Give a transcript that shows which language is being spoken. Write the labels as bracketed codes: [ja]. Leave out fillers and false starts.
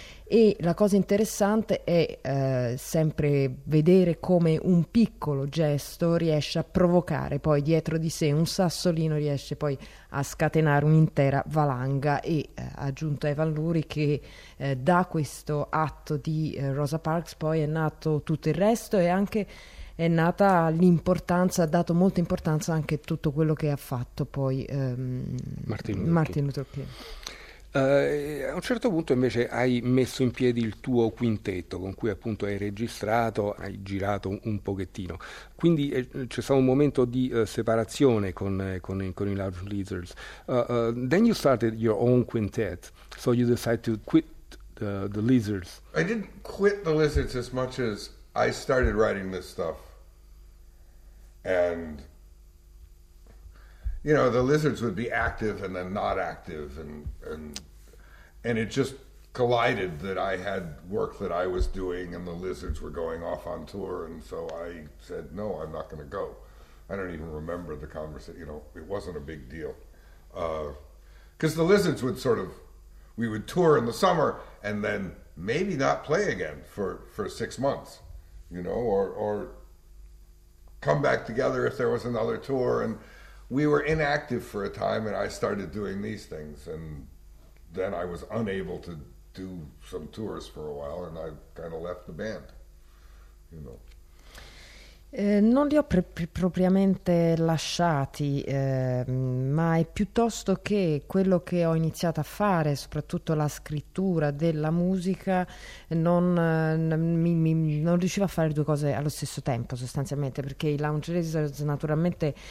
[it] E la cosa interessante è sempre vedere come un piccolo gesto riesce a provocare poi dietro di sé un sassolino, riesce poi a scatenare un'intera valanga, e ha aggiunto Evan Lurie che da questo atto di Rosa Parks poi è nato tutto il resto, e anche è nata l'importanza, ha dato molta importanza anche tutto quello che ha fatto poi Martin Luther King. A un certo punto invece hai messo in piedi il tuo quintetto, con cui appunto hai registrato, hai girato un pochettino, quindi c'è stato un momento di separazione con i Large Lizards. [en] Then you started your own quintet, so you decided to quit the Lizards. I didn't quit the Lizards as much as I started writing this stuff, and you know, the Lizards would be active and then not active, and it just collided that I had work that I was doing and the Lizards were going off on tour, and so I said, no, I'm not going to go. I don't even remember the conversation, you know, it wasn't a big deal. Because the Lizards would sort of, we would tour in the summer and then maybe not play again for 6 months, you know, or come back together if there was another tour, and we were inactive for a time, and I started doing these things, and then I was unable to do some tours for a while, and I kind of left the band, you know. [it] Non li ho propriamente lasciati, ma è piuttosto che quello che ho iniziato a fare, soprattutto la scrittura della musica, non riuscivo a fare due cose allo stesso tempo sostanzialmente, perché i Lounge Lizards naturalmente